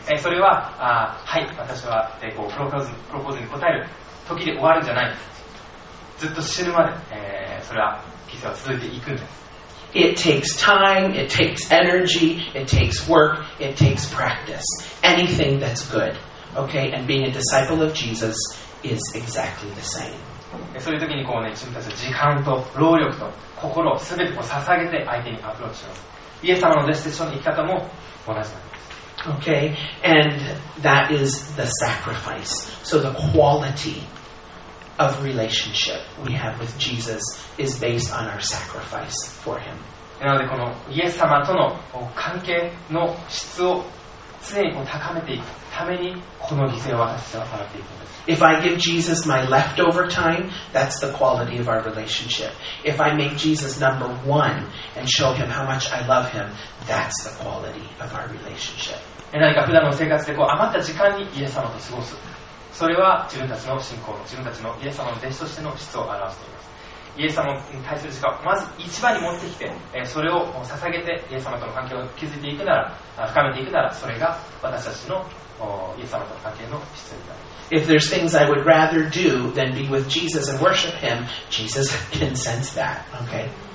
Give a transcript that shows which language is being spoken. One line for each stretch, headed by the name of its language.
Japanese: それは、はい、私は、こうプロポーズに応える時で終わるんじゃないんです。ずっと死ぬまで、それは、犠牲は続いていくんです。
English: It takes time, it takes energy, it takes work, it takes practice. Anything that's good, okay? And being a disciple of Jesus is exactly the same.
Japanese: そういう時にこうね、自分たちは時間と労力と心を全てこう捧げて相手にアプローチします。イエス様の弟子としての生き方も同じなんです。
English: Okay, and that is the sacrifice. So the quality of relationship we have with Jesus is based on our sacrifice for him.
Japanese: なのでこのイエス様との関係の質を常にこう高めていくためにこの犠牲を私たちは払っていくんです。
English: If I give Jesus my leftover time, that's the quality of our relationship. If I make Jesus number one and show him how much I love him, that's the quality of our relationship.
Japanese: 何か普段の生活でこう余った時間にイエス様と過ごす。それは自分たちの信仰、自分たちのイエス様の弟子としての質を表しています。イエス様に対する時間をまず一番に持ってきて、それを捧げてイエス様との関係を築いていくなら、深めていくなら、それが私たちのイエス様との関係の質になります。
English: If there's things I would rather do than be with Jesus and worship Him, Jesus can sense that, okay?